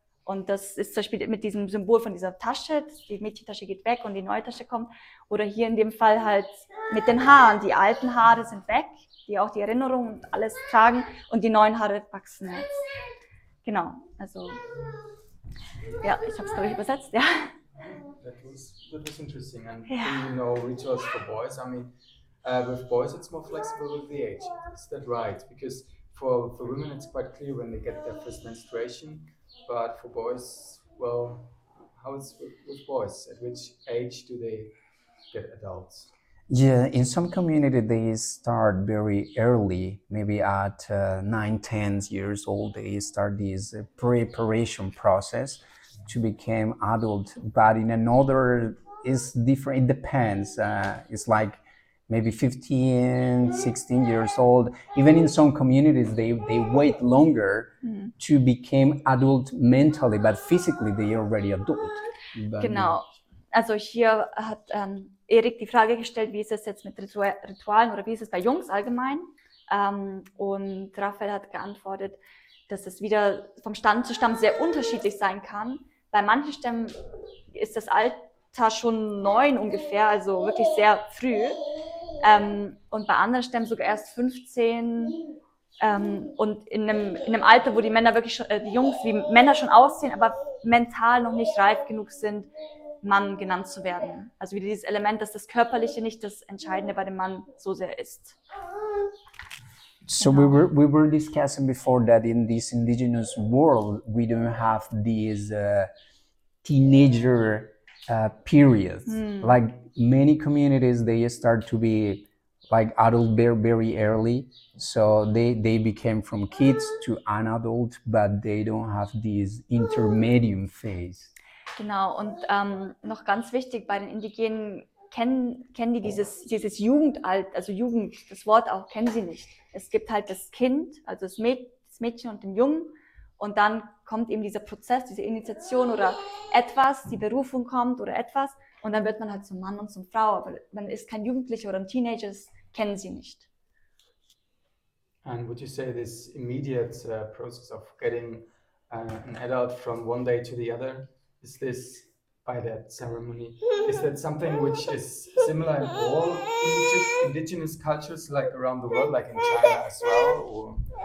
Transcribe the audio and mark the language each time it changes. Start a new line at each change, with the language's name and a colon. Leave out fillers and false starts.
German: Und das ist zum Beispiel mit diesem Symbol von dieser Tasche, die Mädchentasche geht weg und die neue Tasche kommt. Oder hier in dem Fall halt mit den Haaren. Die alten Haare sind weg, die auch die Erinnerung und alles tragen. Und die neuen Haare wachsen jetzt. Genau, also, ja, ich habe es, glaube ich, übersetzt, ja.
English: That was interesting. And you know, rituals for boys, I mean, with boys it's more flexible with the age. Is that right? Because for women it's quite clear when they get their first menstruation. But for boys, well, How is with boys? At which age do they get adults? Yeah, in some community they start very early, maybe at 9-10 years old they start this preparation process to become adult, but in another it's different, it depends. It's like maybe 15-16 years old. Even in some communities they wait longer to become adult mentally, but physically they are already adult. But,
German: genau. Also hier hat Erik die Frage gestellt, wie ist es jetzt mit Ritualen oder wie ist es bei Jungs allgemein? Und Raphael hat geantwortet, dass es wieder vom Stamm zu Stamm sehr unterschiedlich sein kann. Bei manchen Stämmen ist das Alter schon 9 ungefähr, also wirklich sehr früh. Und bei anderen Stämmen sogar erst 15. Und in einem Alter, wo die Männer wirklich schon, die Jungs wie Männer schon aussehen, aber mental noch nicht reif genug sind, Mann genannt zu werden. Also wieder dieses Element, dass das Körperliche nicht das Entscheidende bei dem Mann so sehr ist. So genau.
English: we were discussing before that in this indigenous world we don't have these teenager periods. Like many communities, they start to be like adult very, very early. So they became from kids to an adult, but they don't have this intermediate phase.
German: Genau, und noch ganz wichtig, bei den Indigenen kennen die dieses Jugendalter, also Jugend, das Wort auch, kennen sie nicht. Es gibt halt das Kind, also das Mädchen und den Jungen, und dann kommt eben dieser Prozess, diese Initiation oder etwas, die Berufung kommt oder etwas, und dann wird man halt zum Mann und zum Frau, aber man ist kein Jugendlicher oder ein Teenager, das kennen sie nicht.
English: And would you say this immediate process of getting an adult from one day to the other? Is this by that ceremony? Is that something which is similar in all indigenous cultures, like around the world, like in China as well?